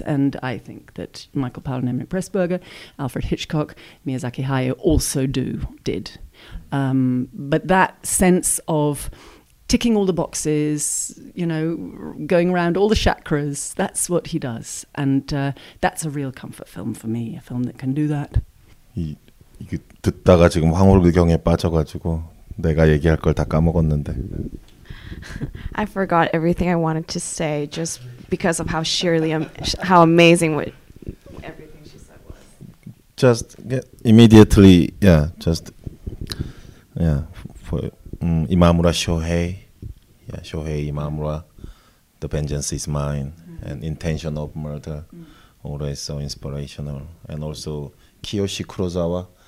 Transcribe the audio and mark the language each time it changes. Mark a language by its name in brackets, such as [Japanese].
[English] And I think that Michael Powell and Emmerich Pressburger, Alfred Hitchcock, Miyazaki Hayao also did. But that sense of ticking all the boxes, you know, going around all the chakras, that's what he does. And that's a real comfort film for me, a film that can do that. Yeah. [Korean] 이게 듣다가 지금 황홀경에 빠져가지고 내가 얘기할 걸 다 까먹었는데. [English] I forgot everything I wanted to say just because of how sheerly, how amazing what everything she said was. Just immediately, yeah, just, yeah, for 이마무라 쇼헤이, yeah, 쇼헤이 이마무라, the vengeance is mine, and intention of murder, always so inspirational, and also Kiyoshi Kurosawa.